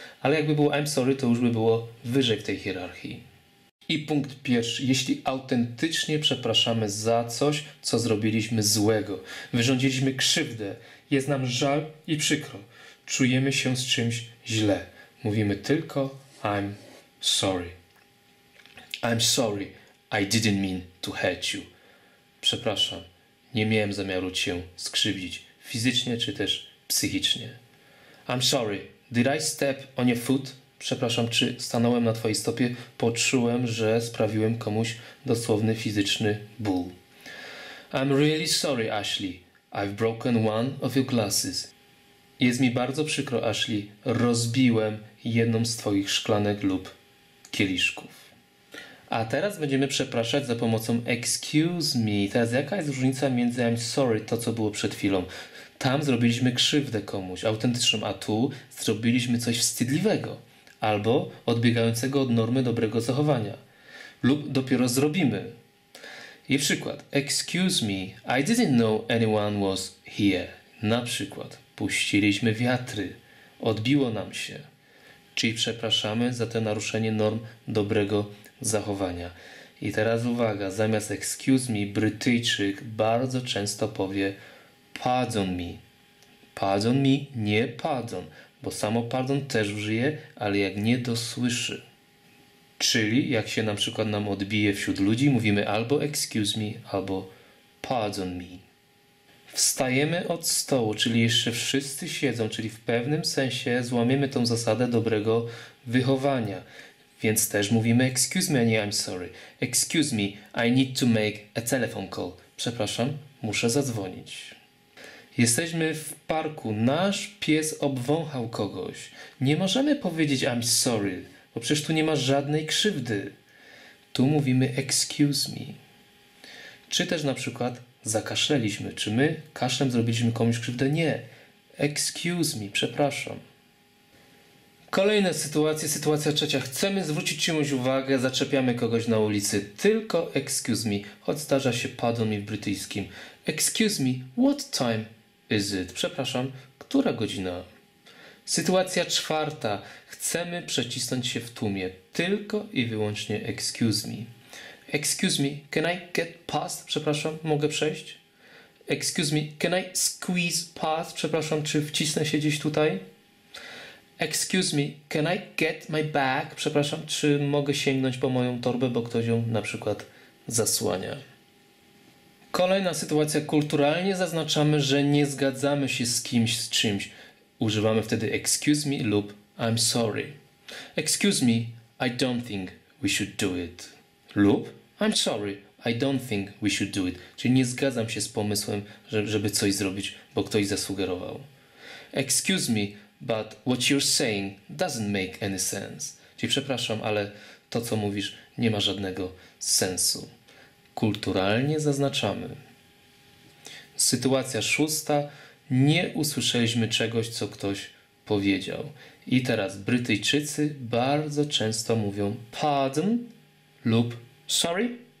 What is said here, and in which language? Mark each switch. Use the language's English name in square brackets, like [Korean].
[Polish] Ale jakby było [English] I'm sorry, [Polish] to już by było wyżej w tej hierarchii. I punkt pierwszy. Jeśli autentycznie przepraszamy za coś, co zrobiliśmy złego, wyrządziliśmy krzywdę, jest nam żal i przykro, czujemy się z czymś źle, mówimy tylko [English] I'm sorry. I'm sorry, I didn't mean to hurt you. [Polish] Przepraszam, nie miałem zamiaru cię skrzywdzić fizycznie czy też psychicznie. [English] I'm sorry, did I step on your foot? [Polish] Przepraszam, czy stanąłem na twojej stopie, poczułem, że sprawiłem komuś dosłowny fizyczny ból. [English] I'm really sorry, Ashley. I've broken one of your glasses. [Polish] Jest mi bardzo przykro, Ashley. Rozbiłem jedną z twoich szklanek lub kieliszków. A teraz będziemy przepraszać za pomocą excuse me. Teraz jaka jest różnica między I'm sorry, to co było przed chwilą? Tam zrobiliśmy krzywdę komuś autentyczną, a tu zrobiliśmy coś wstydliwego albo odbiegającego od normy dobrego zachowania. Lub dopiero zrobimy. I przykład. [English] Excuse me, I didn't know anyone was here. [Polish] Na przykład. Puściliśmy wiatry. Odbiło nam się. Czyli przepraszamy za to naruszenie norm dobrego zachowania. I teraz uwaga. Zamiast excuse me, Brytyjczyk bardzo często powie pardon me. Pardon me, nie pardon. Bo samo pardon też użyje, ale jak nie dosłyszy. Czyli jak się na przykład nam odbije wśród ludzi, mówimy albo excuse me, albo pardon me. Wstajemy od stołu, czyli jeszcze wszyscy siedzą, czyli w pewnym sensie złamiemy tą zasadę dobrego wychowania. Więc też mówimy excuse me, a nie I'm sorry. Excuse me, I need to make a telephone call. Przepraszam, muszę zadzwonić. Jesteśmy w parku, nasz pies obwąchał kogoś. Nie możemy powiedzieć I'm sorry, bo przecież tu nie ma żadnej krzywdy. Tu mówimy excuse me. Czy też na przykład zakaszleliśmy, czy my kaszlem zrobiliśmy komuś krzywdę? Nie. Excuse me, przepraszam. Kolejna sytuacja, sytuacja trzecia. Chcemy zwrócić czyjąś uwagę, zaczepiamy kogoś na ulicy. Tylko excuse me, choć zdarza się pardon me w brytyjskim. [English] Excuse me, what time is it? [Polish] Przepraszam, która godzina? Sytuacja czwarta. Chcemy przecisnąć się w tłumie. Tylko i wyłącznie excuse me. [English] Excuse me, can I get past? [Polish] Przepraszam, mogę przejść? [English] Excuse me, can I squeeze past? [Polish] Przepraszam, czy wcisnę się gdzieś tutaj? [English] Excuse me, can I get my bag? [Polish] Przepraszam, czy mogę sięgnąć po moją torbę, bo ktoś ją na przykład zasłania. Kolejna sytuacja. Kulturalnie zaznaczamy, że nie zgadzamy się z kimś, z czymś. Używamy wtedy excuse me lub I'm sorry. [English] Excuse me, I don't think we should do it. Lub I'm sorry, I don't think we should do it. [Polish] Czyli nie zgadzam się z pomysłem, żeby coś zrobić, bo ktoś zasugerował. [English] Excuse me, but what you're saying doesn't make any sense. [Polish] Czyli przepraszam, ale to, co mówisz, nie ma żadnego sensu. Kulturalnie zaznaczamy. Sytuacja szósta. Nie usłyszeliśmy czegoś, co ktoś powiedział. I teraz Brytyjczycy bardzo często mówią pardon lub sorry.